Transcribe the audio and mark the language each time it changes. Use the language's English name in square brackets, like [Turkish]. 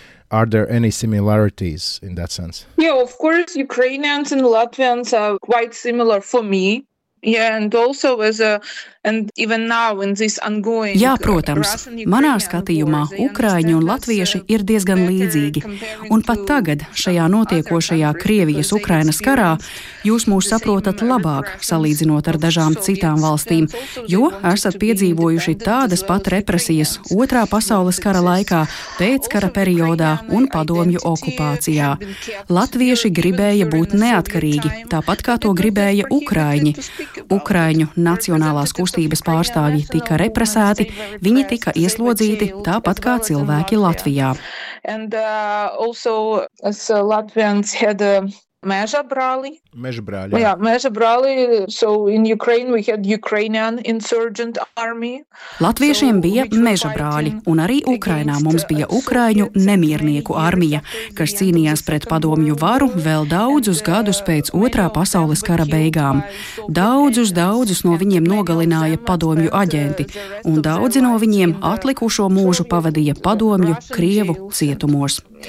[English] Are there any similarities in that sense? Yeah, of course, Ukrainians and Latvians are quite similar for me. Yeah, and also as a and even now in this ongoing. [Latvian] Jā, protams. Manā skatījumā ukraiņi un latvieši ir diezgan līdzīgi. Un pat tagad šajā notiekošajā Krievijas-Ukrainas karā jūs mūs saprotat labāk salīdzinot ar dažām citām valstīm, jo esat piedzīvojuši tādas pat represijas Otrā pasaules kara laikā, pēckara periodā un padomju okupācijā. Latvieši gribēja būt neatkarīgi, tāpat kā to gribēja ukraiņi. Ukraiņu nacionālās kustības pārstāvji tika represēti, viņi tika ieslodzīti tāpat kā cilvēki Latvijā. [English] And also as Latvians had Mežabrāli. [Latvian] Mežabrāli. Jā, Mežabrāli. [English] So in Ukraine we had Ukrainian insurgent army. [Latvian] Latviešiem bija Mežabrāli, un arī Ukrainā mums bija Ukraiņu nemiernieku armija, kas cīnījās pret padomju varu vēl daudzus gadus pēc Otrā pasaules kara beigām. Daudzus no viņiem nogalināja padomju aģenti, un daudzi no viņiem atlikušo mūžu pavadīja padomju krievu cietumos.